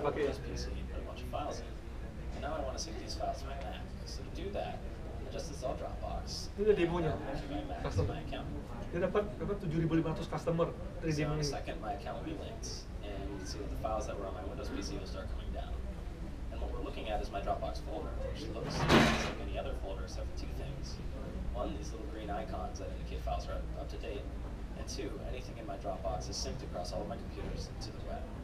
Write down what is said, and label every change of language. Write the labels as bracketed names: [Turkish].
[English] PC, you put a bunch of files in. And now I want to sync these files to my Mac. So to do that, I just install Dropbox. This is a demo. My Mac to my account. [Indonesian] Dia dapat 7,500 customer dari demo ini. [English] So in a second, my account will be linked. And you can see that the files that were on my Windows PC will start coming down. And what we're looking at is my Dropbox folder, which looks like any other folder except for two things. One, these little green icons that indicate files are up to date. And two, anything in my Dropbox is synced across all of my computers to the web.